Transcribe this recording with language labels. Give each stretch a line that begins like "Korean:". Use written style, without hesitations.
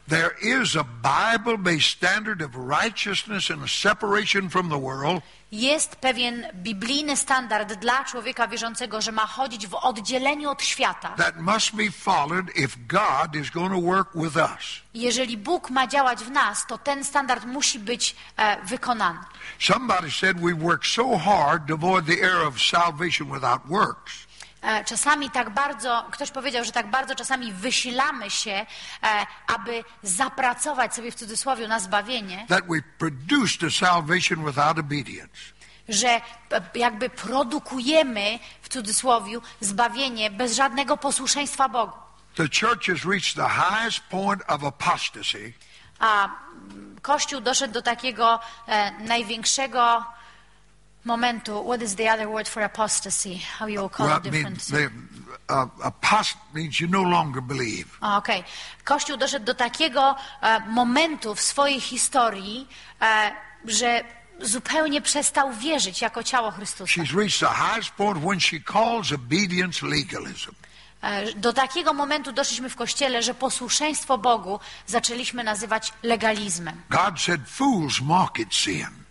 English: There is a Bible-based standard of righteousness and a separation from the world.
Polish: Jest pewien biblijny standard dla człowieka wierzącego, że ma chodzić w oddzieleniu od świata.
English: That must be followed if God is going to work with us.
Polish: Jeżeli Bóg ma działać w nas, to ten standard musi być wykonany.
English: Somebody said we work so hard to avoid the error of salvation without works.
Polish: Czasami tak bardzo, ktoś powiedział, że tak bardzo czasami wysilamy się, aby zapracować sobie w cudzysłowie na zbawienie,
English: that we produce the salvation without obedience.
Polish: Że jakby produkujemy w cudzysłowie zbawienie bez żadnego posłuszeństwa Bogu.
English: The church has reached the highest point of apostasy.
Polish: A Kościół doszedł do takiego największego momentu.
English: What is the other word for apostasy? How you will call well, it different? Apost means you no longer believe. Okay.
Polish: Kościół doszedł do takiego momentu w swojej historii, że zupełnie przestał wierzyć jako ciało Chrystusa.
English: She's reached the highest point when she calls obedience legalism.
Polish: Do takiego momentu doszliśmy w Kościele, że posłuszeństwo Bogu zaczęliśmy nazywać legalizmem.
English: God said, fools mock at sin.